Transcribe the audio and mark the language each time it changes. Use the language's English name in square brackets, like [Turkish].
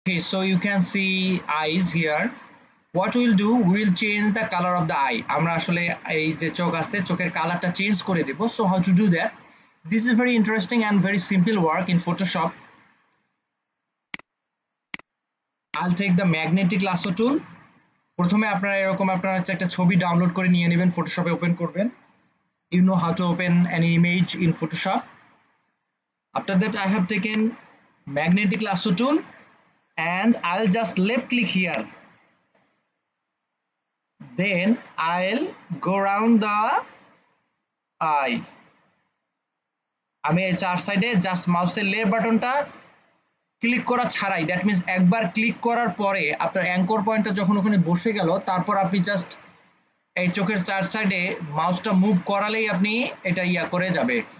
[English] Okay, so you can see eyes here. What we'll do, we'll change the color of the eye. [Bangla] আমরা আসলে এই যে চোখ আছে চোখের কালারটা চেঞ্জ করে দেব. [English] So how to do that? This is very interesting and very simple work in Photoshop. I'll take the magnetic lasso tool. [Bangla] প্রথমে আপনারা এরকম আপনারা একটা ছবি ডাউনলোড করে নিয়ে নেবেন, ফটোশপে ওপেন করবেন. [English] You know how to open an image in Photoshop. After that I have taken magnetic lasso tool. And I'll just left click here. Then I'll go around the eye. [Bangla] আমি এই চার সাইডে just মাউসের layer বাটনটা click করা ছাড়াই, [English] that means [Bangla] একবার click করার পরে আপনার অ্যাঙ্কর পয়েন্টটা যখন ওখানে বসে গেল, তারপর আপনি জাস্ট এই চোখের চার সাইডে মাউসটা মুভ করালেই আপনি এটা ইয়া করে যাবে.